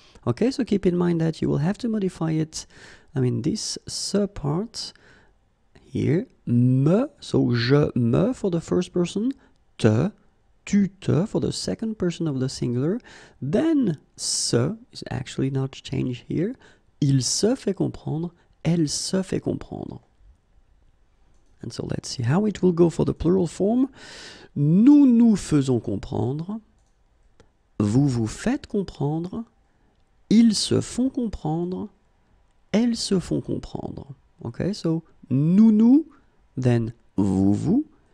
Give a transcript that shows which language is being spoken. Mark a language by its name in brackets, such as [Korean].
[English] Okay, so keep in mind that you will have to modify it. I mean, this se part here, me, so je me for the first person, te, tu te for the second person of the singular, then se is actually not changed here. [French] Il se fait comprendre, elle se fait comprendre. [English] And so let's see how it will go for the plural form. [French] Nous nous faisons comprendre. Vous vous faites comprendre. Ils se font comprendre. Elles se font comprendre. Okay, so nous nous, then vous vous.